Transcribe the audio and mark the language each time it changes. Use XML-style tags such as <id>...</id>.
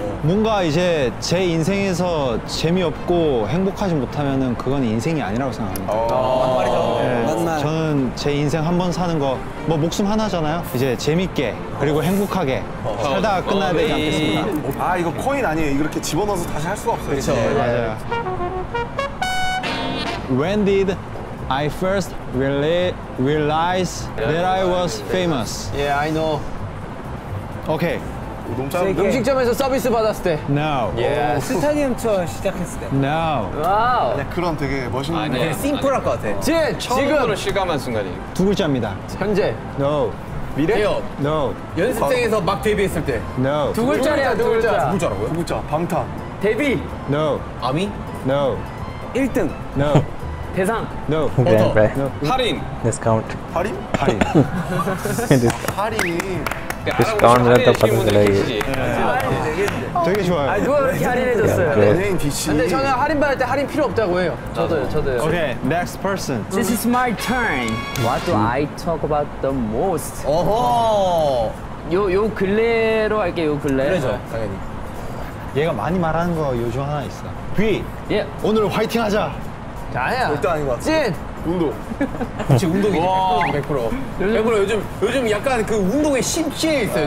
<ko>뭔가 이제 제 인생에서 재미없고 행복하지 못하면은 그건 인생이 아니라고 생각합니다. 맞말이죠. 저는 제 인생 한번 사는 거 뭐 목숨 하나잖아요. 이제 재밌게 그리고 행복하게 살다 끝나야 되지 않겠습니까? 아 이거 코인 아니에요. 이렇게 집어넣어서 다시 할 수가 없어요. 그렇죠. 맞아요.</ko> <en>When did I first realize that I was famous? Yeah, I know. Okay.</en> <ko>음식점에서 서비스 받았을 때.</ko> <en>No. Yes.</en> <ko>스타디움 투어 시작했을 때.</ko> <en>No. Wow.</en> <ko>그런 되게 멋있는. 되게 심플할 것 같아. 진! 처음으로 실감한 순간이. 두 글자입니다. 현재.</ko> <en>No.</en> <ko>미래? 개업. No. 연습생에서 막 데뷔했을 때.</ko> <en>No.</en> <ko>두 글자야, 두 글자. 두 글자라고요? 두 글자. 방탄. 데뷔.</ko> <en>No.</en> <ko>아미?</ko> <en>No.</en> <ko>1등.</ko> <en>No.</en> <ko>대상.</ko> <en>No.</en> <ko>네. 할인.</ko> <en>Discount.</en> <ko>할인? 할인. 할인. 디스카운트 했다 받은 게 되게 좋아요. 아니, 누가 그렇게 할인해줬어요? 연예인 근데 저는 할인받을 때 할인 필요 없다고 해요. 저도요, 저도요.</ko> <en>Okay, next person. This is my turn. What do I talk about the most?</en> <ko>오호! 요 근래로 할게요, 요 근래. 그래죠, 당연히. 얘가 많이 말하는 거 요즘 하나 있어. B! 예. Yeah. 오늘 화이팅 하자! 아니야. 절대 아닌 것 같아. 찐! 운동. 그치, 운동이지. 100%. 100% 요즘 약간 그 운동에 심취해 있어요,</ko>